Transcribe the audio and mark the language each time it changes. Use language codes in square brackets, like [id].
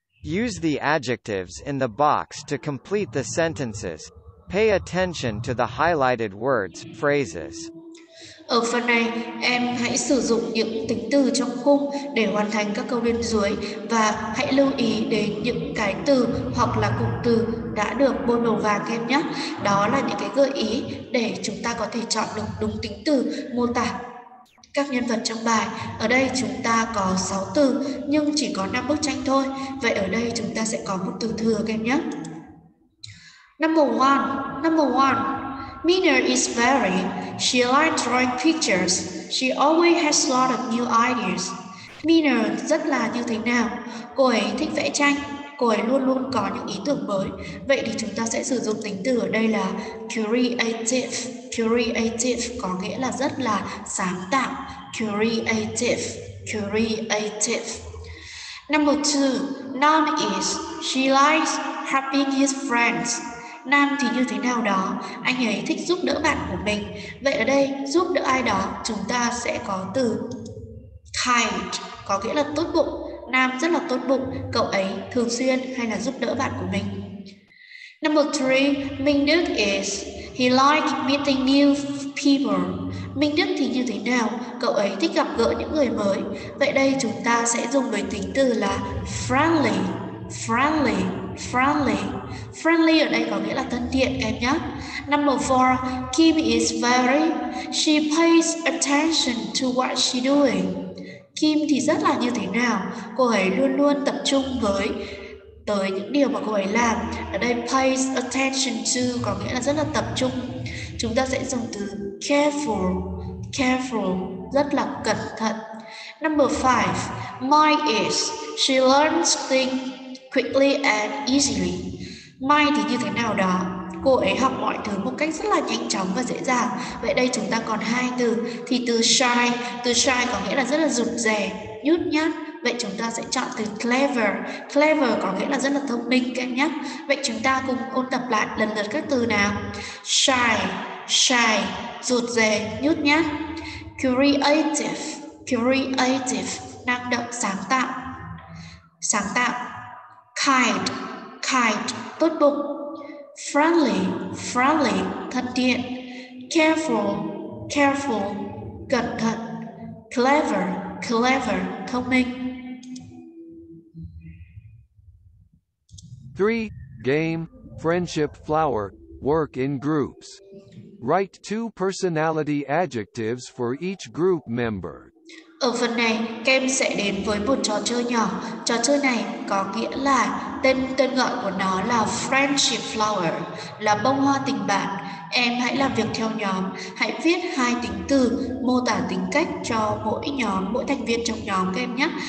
[en] Use the adjectives in the box to complete the sentences. Pay attention to the highlighted words, phrases. [vi] Ở phần này, em hãy sử dụng những tính từ trong khung để hoàn thành các câu bên dưới và hãy lưu ý đến những cái từ hoặc là cụm từ đã được bôi màu vàng em nhé. Đó là những cái gợi ý để chúng ta có thể chọn được đúng tính từ mô tả các nhân vật trong bài. Ở đây chúng ta có 6 từ nhưng chỉ có 5 bức tranh thôi. Vậy ở đây chúng ta sẽ có một từ thừa các em nhé. [en] Number one. Mina is very. She likes drawing pictures. She always has a lot of new ideas. [vi] Mina rất là như thế nào? Cô ấy thích vẽ tranh. Cô ấy luôn luôn có những ý tưởng mới. Vậy thì chúng ta sẽ sử dụng tính từ ở đây là creative. Creative có nghĩa là rất là sáng tạo. [en] Creative, creative. Number 2. Nam is. She likes helping his friends. [vi] Nam thì như thế nào đó? Anh ấy thích giúp đỡ bạn của mình. Vậy ở đây giúp đỡ ai đó, chúng ta sẽ có từ kind, có nghĩa là tốt bụng. Nam rất là tốt bụng, cậu ấy thường xuyên hay là giúp đỡ bạn của mình. [en] Number 3. Minh Đức is. He likes meeting new people. [vi] Minh Đức thì như thế nào? Cậu ấy thích gặp gỡ những người mới. Vậy đây chúng ta sẽ dùng với tính từ là friendly. Friendly, friendly. Friendly ở đây có nghĩa là thân thiện em nhé. [en] Number 4. Kim is very. She pays attention to what she doing. [vi] Kim thì rất là như thế nào? Cô ấy luôn luôn tập trung với tới những điều mà cô ấy làm. Ở đây pays attention to có nghĩa là rất là tập trung. Chúng ta sẽ dùng từ careful. Careful, rất là cẩn thận. [en] Number 5. My is. She learns things quickly and easily. [vi] Mai thì như thế nào đó? Cô ấy học mọi thứ một cách rất là nhanh chóng và dễ dàng. Vậy đây chúng ta còn hai từ. Thì từ shy có nghĩa là rất là rụt rè, nhút nhát. Vậy chúng ta sẽ chọn từ clever. Clever có nghĩa là rất là thông minh các em nhé. Vậy chúng ta cùng ôn tập lại lần lượt các từ nào. Shy, shy, rụt rè, nhút nhát. Creative, creative, năng động, sáng tạo. Sáng tạo. Kind, kind, tốt bụng. Friendly, friendly, thân thiện. Careful, careful, cẩn thận. Clever, clever, thông minh. 3. [en] Game, friendship, flower, work in groups. Write 2 personality adjectives for each group member. [vi] Ở phần này, các em sẽ đến với một trò chơi nhỏ. Trò chơi này có nghĩa là tên gọi của nó là Friendship Flower, là bông hoa tình bạn. Em hãy làm việc theo nhóm, hãy viết 2 tính từ mô tả tính cách cho mỗi nhóm, mỗi thành viên trong nhóm các em nhé.